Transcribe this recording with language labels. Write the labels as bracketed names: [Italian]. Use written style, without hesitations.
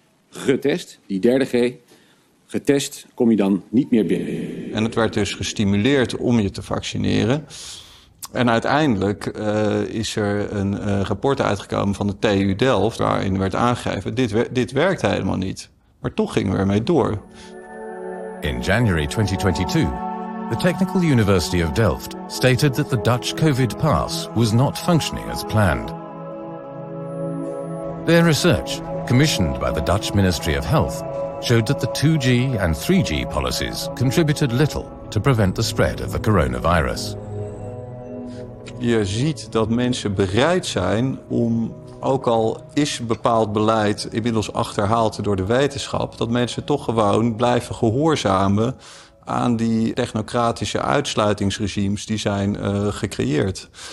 [Dutch] Getest, die derde G, getest kom je dan niet meer binnen. En het werd dus gestimuleerd om je te vaccineren. En uiteindelijk is er een rapport uitgekomen van de TU Delft waarin werd aangegeven, dit werkt helemaal niet. Maar toch gingen we ermee door. [English] In January 2022, the Technical University of Delft stated that the Dutch COVID pass was not functioning as planned. Their research, commissioned by the Dutch Ministry of Health, showed that the 2G and 3G policies contributed little to prevent the spread of the coronavirus. [Dutch] Je ziet dat mensen bereid zijn om, ook al is bepaald beleid inmiddels achterhaald door de wetenschap, dat mensen toch gewoon blijven gehoorzamen aan die technocratische uitsluitingsregimes die zijn gecreëerd.